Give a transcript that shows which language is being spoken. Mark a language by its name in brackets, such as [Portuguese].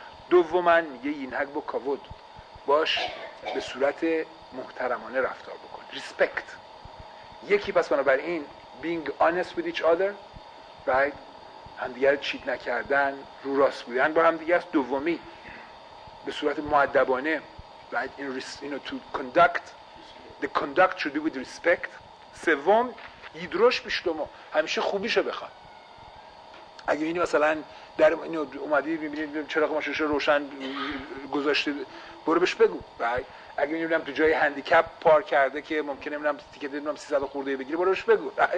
[Persian] دومن میگه ینهگ با کاود، باش به صورت محترمانه رفتار بکن، ریسپکت. یکی پس بنابراین [English] being honest with each other، [Persian] right، همدیگر چیت نکردن، رو راست بودن با همدیگر است. دومی به صورت مؤدبانه، [English] right، in you know to conduct، the conduct should be with respect. [Persian] سوم یدروش پیش دوما، همیشه خوبیشو بخواد. اگه اینی مثلا در اینو اومدی میبینید چراغ ماشینش روشن گذاشته، برو بهش بگو. اگه میبینم تو جای هندیکپ پارک کرده که ممکنه میبینم تیکت میبینم 300 خورده بگیره، برو بهش بگو.